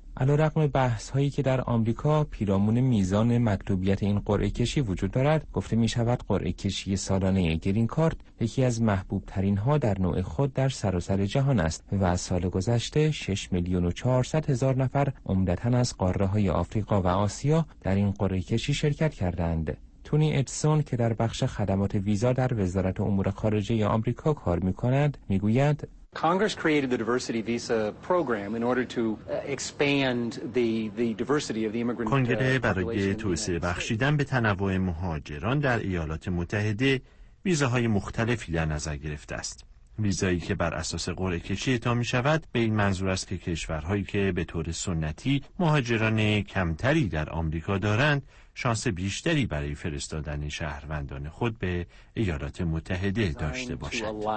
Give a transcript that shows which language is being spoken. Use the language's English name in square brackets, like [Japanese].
[Persian] علی‌رغم بحث‌هایی که در آمریکا پیرامون میزان مطلوبیت این قرعه‌کشی وجود دارد، گفته می‌شود قرعه‌کشی سالانه گرین کارت یکی از محبوب‌ترین‌ها در نوع خود در سراسر جهان است و از سال گذشته 6 میلیون و 400 هزار نفر عمدتاً از قاره‌های آفریقا و آسیا در این قرعه‌کشی شرکت کردند. تونی ادسون که در بخش خدمات ویزا در وزارت امور خارجه آمریکا کار می‌کند، می‌گوید [English] Congress created the diversity visa program in order to expand the diversity of the immigrant population. [Persian] کنگره برای توسعه بخشیدن به تنوع مهاجران در ایالات متحده ویزاهای مختلفی در نظر گرفته است. ویزایی که بر اساس قرعه کشی اعطا می شود به این منظور است که کشورهایی که به طور سنتی مهاجران کمتری در آمریکا دارند شانس بیشتری برای فرستادن شهروندان خود به ایالات متحده داشته باشد.